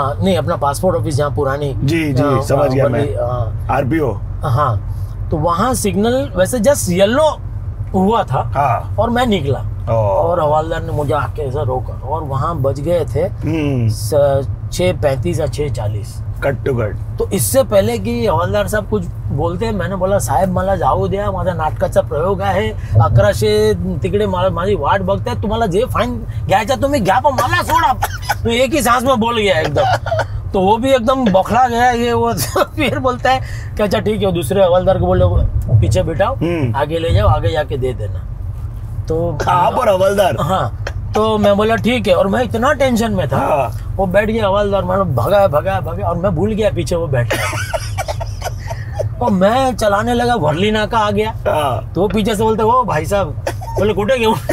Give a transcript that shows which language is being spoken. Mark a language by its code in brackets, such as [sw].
[hi] नहीं अपना passport office जहाँ पुरानी, जी समझ गया मैं, आरपीओ। हाँ, तो वहाँ सिग्नल वैसे जस्ट येलो हुआ था और मैं निकला और हवालदार ने मुझे आके ऐसा रोका, और वहाँ बज गए थे 6:35 या 6:40 कट टू कट। तो इससे पहले कि हवालदार साहब कुछ बोलते, मैंने बोला [mr] साहेब मला जाऊ द्या, माझा नाटकाचा प्रयोग आहे, 11:00 तिकडे माझी वाट बघताय, तुम्हाला जे फाईन घ्यायचा तुम्ही घ्या, पण मला सोडा। [hi] तो एक ही सांस में बोल गया एकदम, तो वो भी एकदम बौखला गया ये वो। फिर बोलता है कि अच्छा ठीक है, दूसरे हवालदार को बोल लो पीछे बिठाओ, आगे ले जाओ, आगे जाके दे देना। तो आप और हवालदार, हाँ, तो मैं बोला ठीक है, और मैं इतना टेंशन में था, वो बैठ गया हवालदार, मैंने भगा और मैं भूल गया पीछे वो बैठा। और मैं चलाने लगा, वर्ली नाका आ गया, तो पीछे से बोलते वो भाई साहब, बोले कूटे गए